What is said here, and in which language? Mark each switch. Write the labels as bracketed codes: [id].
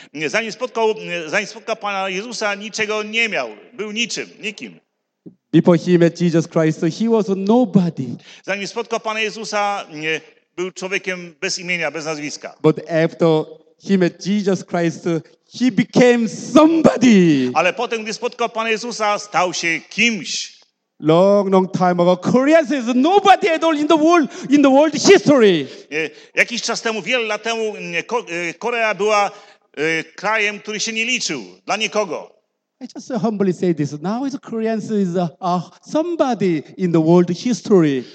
[pl] Nie, zanim spotkał Pana Jezusa, niczego nie miał. Był niczym, nikim. [en] Before he met Jesus Christ, he was nobody. [pl] Zanim spotkał Pana Jezusa, nie, był człowiekiem bez imienia, bez nazwiska. [en] But after him as Jesus Christ, he became somebody. [pl] Ale potem, gdy spotkał Pana Jezusa, stał się kimś. [en] Long, long time ago, Korea is nobody at all in the world history. [pl] Jakiś czas temu, wiele lat temu, Korea była krajem, który się nie liczył dla nikogo. [en] I just humbly say this. Now the Koreans is somebody in the world history.